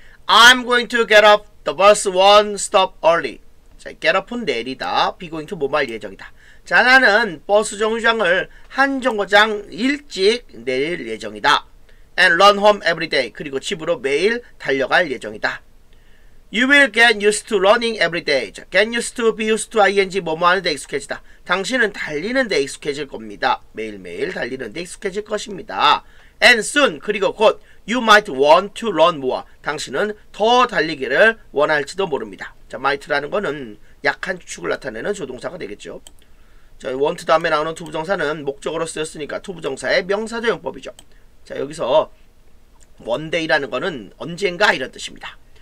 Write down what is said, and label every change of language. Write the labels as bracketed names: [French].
[English] I'm going to get up the bus one stop early. [Korean] 자, get up은 내리다. be going to 뭐뭐 할 예정이다. 자, 나는 버스 정류장을 한 정거장 일찍 내릴 예정이다. [English] and run home every day. [Korean] 그리고 집으로 매일 달려갈 예정이다. [English] You will get used to running every day. [Korean] 자, get used to, be used to, ing, 뭐뭐 하는 데 익숙해지다. 당신은 달리는 데 익숙해질 겁니다. 매일매일 달리는 데 익숙해질 것입니다. [English] and soon, [Korean] 그리고 곧, [English] you might want to run more. [Korean] 당신은 더 달리기를 원할지도 모릅니다. 자, might라는 거는 약한 추측을 나타내는 조동사가 되겠죠. 자, want 다음에 나오는 to 부정사는 목적으로 쓰였으니까 to 부정사의 명사적용법이죠. 자, 여기서 one day라는 거는 언젠가 이런 뜻입니다.